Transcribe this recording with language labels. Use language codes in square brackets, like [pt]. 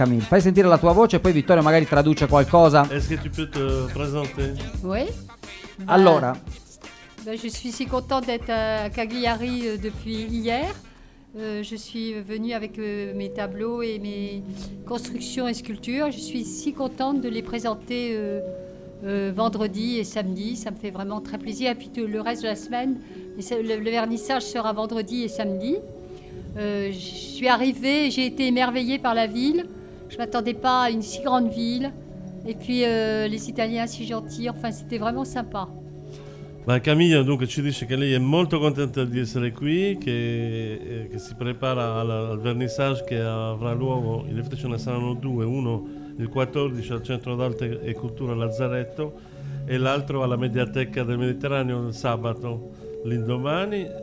[it] Camille, fai sentire la tua voce e poi Vittorio magari traduce qualcosa. [fr] Est-ce que tu peux te présenter? Oui. [it] Allora. [fr] Je suis si contente d'être à Cagliari depuis hier. Je suis venue avec mes tableaux et mes constructions et sculptures. Je suis si contente de les présenter vendredi et samedi. Ça me fait vraiment très plaisir. Et puis tout le reste de la semaine, le vernissage sera vendredi et samedi. Je suis arrivée, j'ai été émerveillée par la ville. Je ne m'attendais pas à une si grande ville. Et puis les Italiens si gentils. Enfin, c'était vraiment sympa. [it] Ma Camilla dunque ci dice che lei è molto contenta di essere qui, che si prepara al vernissage che avrà luogo, in effetti ce ne saranno due, uno il 14 al Centro d'Arte e Cultura Lazzaretto e l'altro alla Mediateca del Mediterraneo il sabato l'indomani.